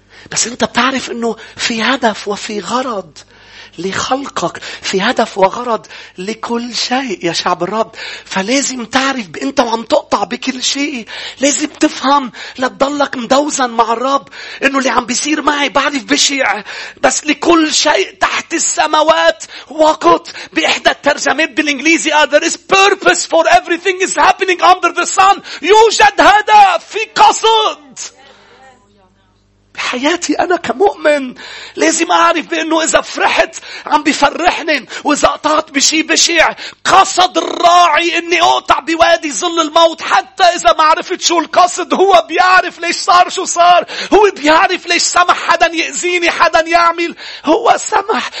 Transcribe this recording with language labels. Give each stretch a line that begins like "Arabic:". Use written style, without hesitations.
Arabic: بس أنت بتعرف أنه في هدف وفي غرض لخلقك, في هدف وغرض لكل شيء يا شعب الرب. فلازم تعرف انت وعم تقطع بكل شيء, لازم تفهم لتضلك مدوزن مع الرب, انه اللي عم بيصير معي بعرف بشع, بس لكل شيء تحت السماوات وقت. باحدى الترجمات بالانجليزي
English: there is purpose for everything is happening under the sun,
Arabic: يوجد هدف, في قصد حياتي. أنا كمؤمن لازم أعرف بأنه إذا فرحت عم بفرحني, وإذا قطعت بشي بشع قصد الراعي إني أقطع بوادي ظل الموت. حتى إذا ما عرفت شو القصد, هو بيعرف ليش صار شو صار, هو بيعرف ليش سمح حدا يأذيني, حدا يعمل, هو سمح.